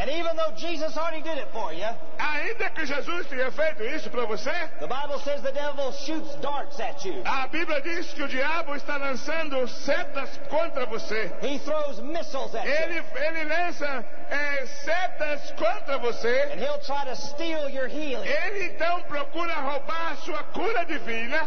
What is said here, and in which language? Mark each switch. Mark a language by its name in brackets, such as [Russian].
[English] And even though Jesus already did it for you, [Portuguese] ainda que Jesus tenha feito isso para você, [English] the Bible says the devil shoots darts at you. [Portuguese] A Bíblia diz que o diabo está lançando setas contra você. [English] He throws missiles at you. [Portuguese] Ele lança setas contra você. [English] And he'll try to steal your healing. [Portuguese] Ele então procura roubar a sua cura divina.